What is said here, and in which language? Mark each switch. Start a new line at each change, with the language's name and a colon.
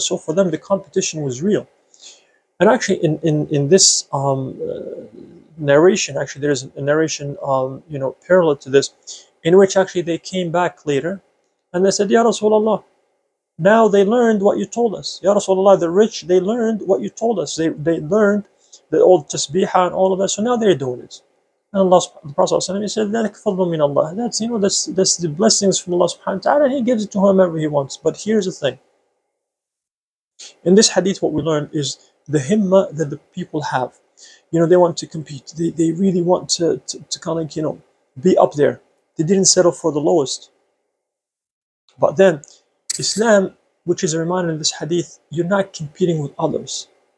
English: So for them, the competition was real. And actually, in this narration, actually, there is a narration, you know, parallel to this, in which actually they came back later, and they said, Ya Rasulullah, now they learned what you told us. Ya Rasulullah, the rich, they learned what you told us. They learned the old tasbihah and all of that, so now they're doing it. And the Prophet ﷺ said,
Arabic: ذَلَكَ فَضْلٌ مِنَ اللَّهِ.
English: That's, you know, that's the blessings from Allah subhanahu wa ta'ala, and he gives it to whomever he wants. But here's the thing. In this hadith, what we learn is the himmah that the people have. You know, they want to compete. They really want to kind of like, you know, be up there. They didn't settle for the lowest. But then, Islam, which is a reminder in this hadith, you're not competing with others.